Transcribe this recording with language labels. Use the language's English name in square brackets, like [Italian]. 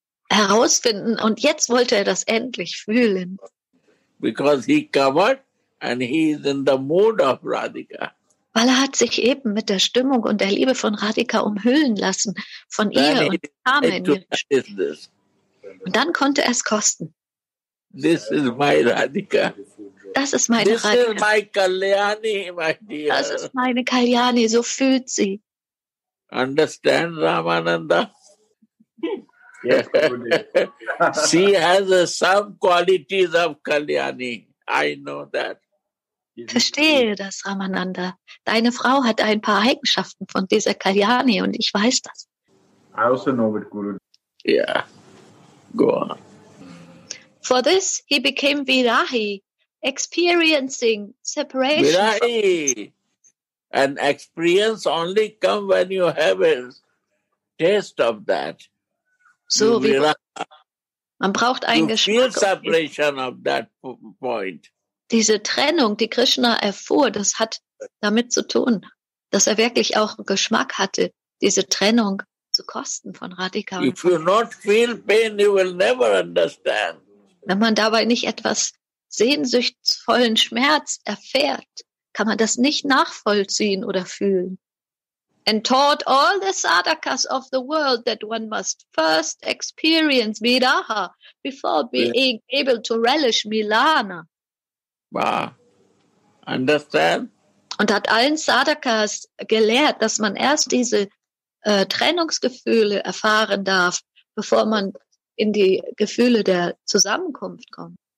[German] Herausfinden und jetzt wollte er das endlich fühlen. [English] Because he covered and he is in the mood of Radhika. [German] Weil er hat sich eben mit der Stimmung und der Liebe von Radhika umhüllen lassen von ihr und kam in ihre Stimmung. Und dann konnte er es kosten. [English] This is my Radhika. [German] Das ist meine [English] This Radhika. Is my Kalyani, my dear. [German] Das ist meine Kalyani, so fühlt sie. [English] Understand, Ramananda? She has some qualities of Kalyani. I know that. [German] Verstehe das, Ramananda. Deine Frau hat ein paar Eigenschaften von dieser Kalyani und ich weiß das. [English] I also know it, Guru. Yeah. Go on. For this, he became Virahi, experiencing separation. Virahi! An experience only comes when you have a taste of that. [German] So Viraha. Man braucht einen Geschmack. [English] You feel separation of that point. [German] Diese Trennung, die Krishna erfuhr, das hat damit zu tun, dass er wirklich auch Geschmack hatte, diese Trennung zu kosten von Radhika. [English] If you not feel pain, you will never understand. [German] Wenn man dabei nicht etwas sehnsuchtsvollen Schmerz erfährt, kann man das nicht nachvollziehen oder fühlen. [English] And taught all the sadhakas of the world that one must first experience viraha before being able to relish milana. Wow. Understand? [German] Und hat allen Sadhakas gelehrt, dass man erst diese Trennungsgefühle erfahren darf, bevor man in die Gefühle der Zusammenkunft kommt.